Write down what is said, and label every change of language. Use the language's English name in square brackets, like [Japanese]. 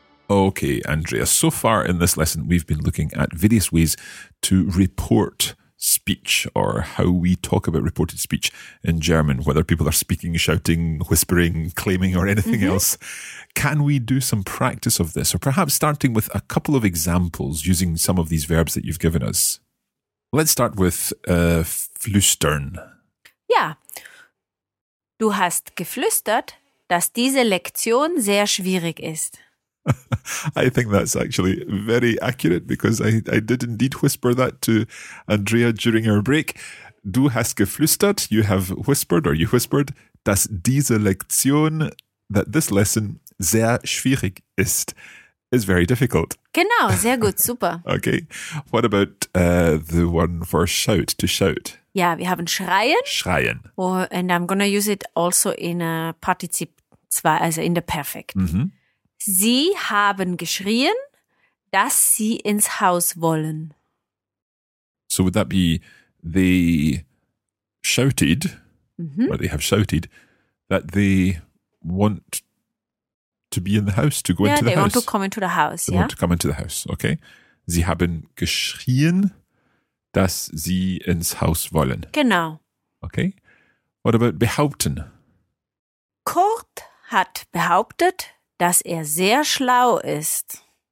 [English] Okay, Andrea, so far in this lesson, we've been looking at various ways to report speech, or how we talk about reported speech in German, whether people are speaking, shouting, whispering, claiming, or anything else. Can we do some practice of this? Or perhaps starting with a couple of examples using some of these verbs that you've given us. Let's start with flüstern. Yeah. [German] Du hast geflüstert, dass diese Lektion sehr schwierig ist. [English] I think that's actually very accurate because I did indeed whisper that to Andrea during our break. [German] Du hast geflüstert, [English] you have whispered, or you whispered, [German] dass diese Lektion, [English] that this lesson, [German] sehr schwierig ist, [English] is very difficult. [German] Genau, sehr gut, super. [English] Okay, what about the one for shout, to shout? [German] Yeah, wir haben schreien. Schreien. [English] Oh, and I'm going to use it also in a Partizip 2, also in the perfect. Mm-hmm. [German] Sie haben geschrien, dass sie ins Haus wollen. [English] So would that be, they shouted, or they have shouted, that they want to be in the house, to go into the house? Yeah, they want to come into the house, They want to come into the house, okay. [German] Sie haben geschrien, dass sie ins Haus wollen. Genau. [English] Okay. What about behaupten? [German] Kurt hat behauptet, dass sehr schlau ist.